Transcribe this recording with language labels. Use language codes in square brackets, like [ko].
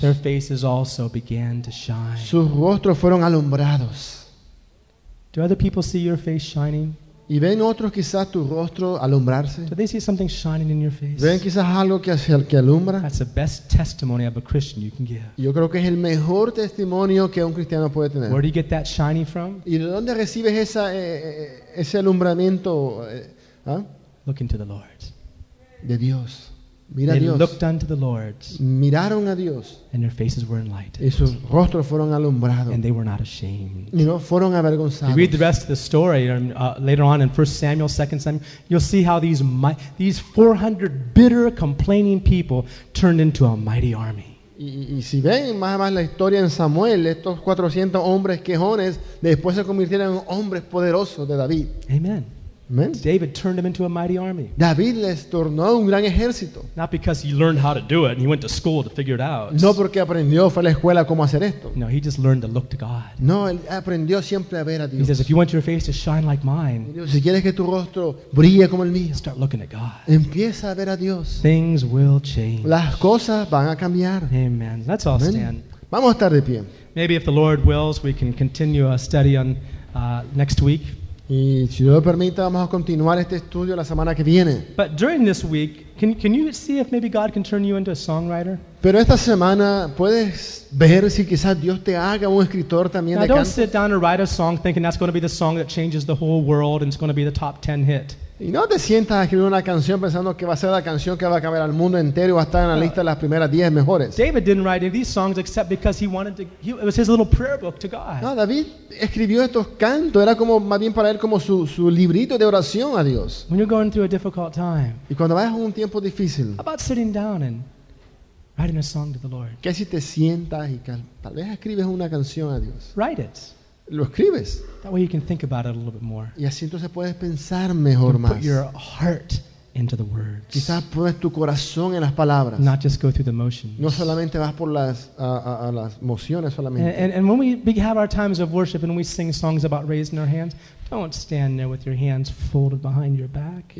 [en] Their faces also began to shine. [es] Sus rostros fueron alumbrados. [en] Do other people see your face shining? [es] ¿Y ven otros quizás tu rostro alumbrarse? [en] Do they see something shining in your face? [es] ¿Ven quizás algo que alumbra? [en] That's the best testimony of a Christian you can give. [es] Yo creo que es el mejor testimonio que un cristiano puede tener. [en] Where do you get that shining from? [es] ¿Y de dónde recibes esa, ese alumbramiento? [en] Look into the Lord. [es] De Dios. Mira [en] they [es] a Dios. [en] Looked unto the Lord. [es] Miraron a Dios. [en] And their faces were enlightened. [es] Y sus rostros fueron alumbrados. [en] And they were not ashamed. [es] Y no fueron avergonzados. [en] You read the rest of the story later on in 1 Samuel, 2 Samuel. You'll see how these 400 bitter, complaining people turned into a mighty army. [es] Y si ven más o menos la historia en Samuel, estos 400 hombres quejones después se convirtieron en hombres poderosos de David. [en] Amen. [es] Amen. [en] David turned him into a mighty army. [es] David les tornó un gran ejército. [en] Not because he learned how to do it and he went to school to figure it out. [es] No, porque aprendió, fue a la escuela cómo hacer esto. [en] No, he just learned to look to God. [es] No, él aprendió siempre a ver a Dios. [en] He says, if you want your face to shine like mine, [es] Dios, si quieres que tu rostro brille como el mío, [en] start looking at God. [es] Empieza a ver a Dios. [en] Things will change. [es] Las cosas van a cambiar. [en] Amen. Let's all [es] Amen. [en] Stand. [es] Vamos a estar de pie. [en] Maybe if the Lord wills, we can continue a study on next week. [es] Y si Dios permite, vamos a continuar este estudio la semana que viene. [en] But during this week, can you see if maybe God can turn you into a songwriter? [es] Pero esta semana puedes ver si quizás Dios te haga un escritor también [en] now, [es] de canto. [en] Now don't sit down and write a song thinking that's going to be the song that changes the whole world and it's going to be the top 10 hit. [es] Y no te sientas a escribir una canción pensando que va a ser la canción que va a cambiar al mundo entero y va a estar en la lista de las primeras 10 mejores. [en] David didn't write any of these songs except because he wanted to. It was his little prayer book to God. [es] No, David escribió estos cantos. Era como más bien para él como su librito de oración a Dios. [en] When you're going through a difficult time. [es] Y cuando vas a un tiempo difícil. [en] How about sitting down and writing a song to the Lord? [es] ¿Qué si te sientas y tal vez escribes una canción a Dios? [en] Write it. [es] Lo escribes. [en] That way you can think about it a little bit more. [es] Y así entonces puedes pensar mejor más. [en] Put your heart into the words. [es] Quizás pones tu corazón en las palabras. [en] Not just go through the motions. [es] No solamente vas por las mociones solamente. [en] And when we have our times of worship and we sing songs about raising our hands, don't stand there with your hands folded behind your back.